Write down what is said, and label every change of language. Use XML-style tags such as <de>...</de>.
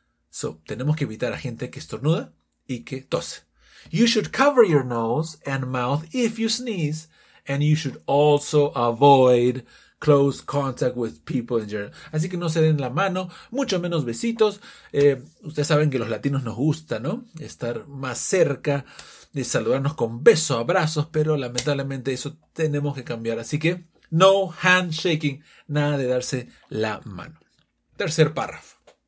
<es>So, tenemos que evitar a gente que estornuda y que tose.</es> <en>You should cover your nose and mouth if you sneeze, and you should also avoid close contact with people in general.</en> <es>Así que no se den la mano, mucho menos besitos. Ustedes saben que los latinos nos gusta, ¿no? Estar más cerca, de saludarnos con besos, abrazos, pero lamentablemente eso tenemos que cambiar. Así que, no handshaking, nada de darse la mano. Tercer párrafo.</es>